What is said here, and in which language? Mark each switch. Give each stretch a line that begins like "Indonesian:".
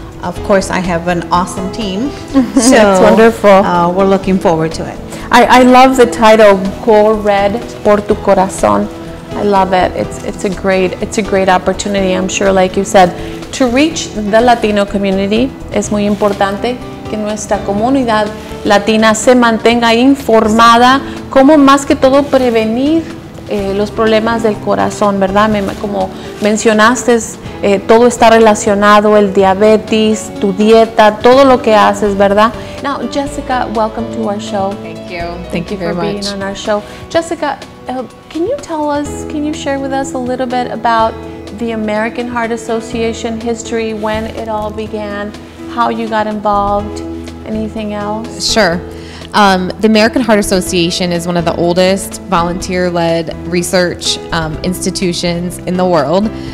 English: Of course, I have an awesome team. So that's wonderful. We're looking forward to it. I love the title, Go Red Por Tu Corazón. I love it. It's a great opportunity. I'm sure, like you said, to reach the Latino community.
Spanish: Es muy importante que nuestra comunidad latina se mantenga informada, como más que todo prevenir los problemas del corazón, ¿verdad? Como mencionaste, todo está relacionado, el diabetes, tu dieta, todo lo que haces, ¿verdad?
English: Now, Jessica, welcome to our show. Thank you very much. Being on our show. Jessica, can you share with us a little bit about the American Heart Association history, when it all began, how you got involved, anything else? Sure. The American Heart Association is one of the oldest volunteer-led research institutions in the world.